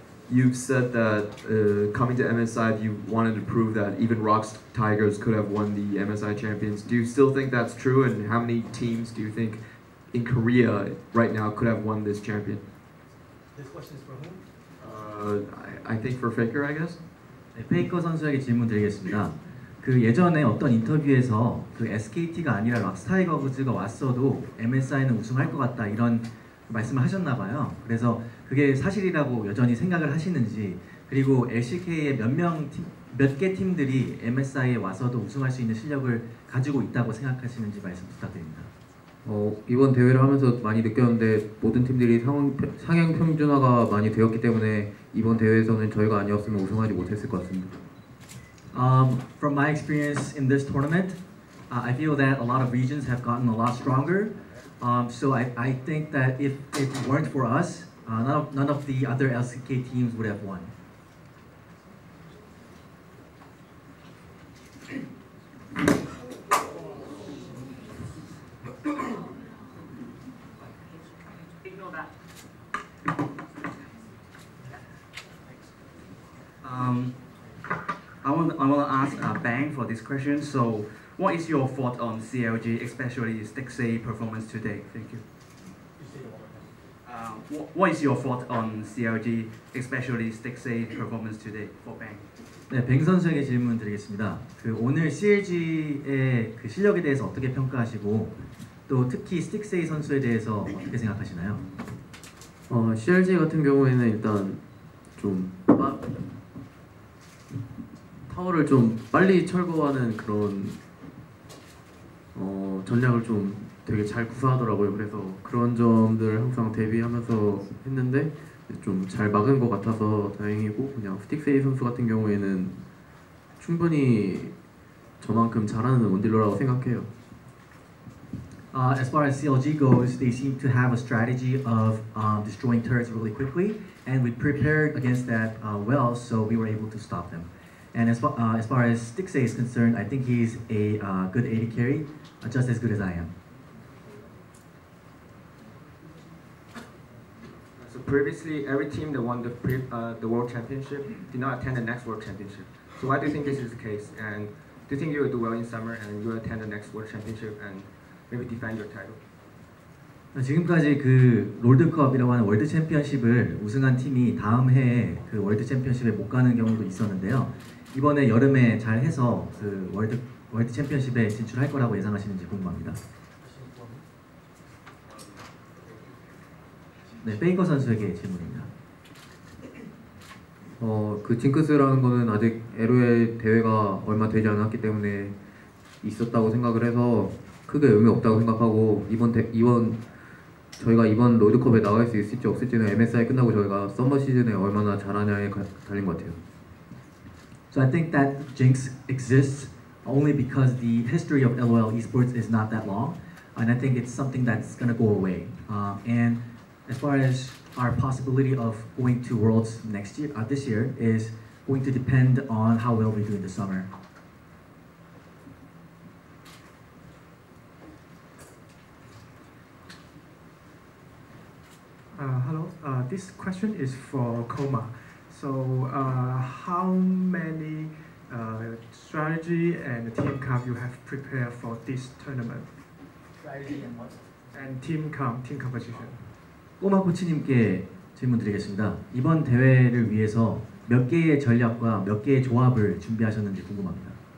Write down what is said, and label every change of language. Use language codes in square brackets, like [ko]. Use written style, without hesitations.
[en] you've said that coming to MSI, you wanted to prove that even Rocks Tigers could have won the MSI Champions. Do you still think that's true? And how many teams do you think in Korea right now could have won this champion? This question is for whom? I think for Faker, I guess. [ko] 네, 페이커 선수에게 질문 드리겠습니다. 그 예전에 어떤 인터뷰에서 그 SKT가 아니라 락스타이거즈가 왔어도 MSI는 우승할 것 같다 이런 말씀을 하셨나 봐요. 그래서 그게 사실이라고 여전히 생각을 하시는지, 그리고 LCK의 몇 개 팀들이 MSI에 와서도 우승할 수 있는 실력을 가지고 있다고 생각하시는지 말씀 부탁드립니다. 이번 대회를 하면서 많이 느꼈는데 모든 팀들이 상향 평준화가 많이 되었기 때문에 이번 대회에서는 저희가 아니었으면 우승하지 못했을 것 같습니다. [en] From my experience in this tournament, I feel that a lot of regions have gotten a lot stronger. So I think that if it weren't for us, none of the other LCK teams would have won. I want to ask Bang for this question. So, what is your thought on CLG, especially Stixxay performance today? Thank you. What is your thought on CLG, especially Stixxay performance today for Bang? [ko] 네, 뱅 선수에게 질문 드리겠습니다. 그 오늘 CLG의 그 실력에 대해서 어떻게 평가하시고, 또 특히 Stixxay 선수에 대해서 어떻게 생각하시나요? CLG 같은 경우에는 일단 좀 타워를 좀 빨리 철거하는 그런 전략을 좀 되게 잘 구사하더라고요. 그래서 그런 점들 항상 대비하면서 했는데 좀 잘 막은 것 같아서 다행이고, 그냥 스틱세이 선수 같은 경우에는 충분히 저만큼 잘하는 원딜러라고 생각해요. [en] As far as CLG goes, they seem to have a strategy of destroying turrets really quickly, and we prepared against that well, so we were able to stop them. And as far as Stixxay is concerned, I think he's a good AD carry, just as good as I am. So previously, every team that won the World Championship did not attend the next World Championship. So why do you think this is the case? And do you think you will do well in summer and you will attend the next World Championship and maybe defend your title? [ko] 지금까지 그 롤드컵이라고 하는 월드 챔피언십을 우승한 팀이 다음 해에 그 월드 챔피언십에 못 가는 경우도 있었는데요. 이번에 여름에 잘 해서 그 월드 챔피언십에 진출할 거라고 예상하시는지 궁금합니다. 네, 페이커 선수에게 질문입니다. 그 징크스라는 거는 아직 LOL 대회가 얼마 되지 않았기 때문에 있었다고 생각을 해서 크게 의미 없다고 생각하고, 저희가 이번 롤드컵에 나갈 수 있을지 없을지는 MSI 끝나고 저희가 서머 시즌에 얼마나 잘하냐에 달린 것 같아요. [en] So I think that jinx exists only because the history of LOL esports is not that long, and I think it's something that's gonna go away. And as far as our possibility of going to Worlds next year, this year is going to depend on how well we do in the summer. Hello. This question is for Koma. So, how many strategy and team comp you have prepared for this tournament? Strategy and what? And team composition. [ko] 꼬마 코치님께 질문드리겠습니다. 이번 대회를 위해서 몇 개의 전략과 몇 개의 조합을 준비하셨는지 궁금합니다.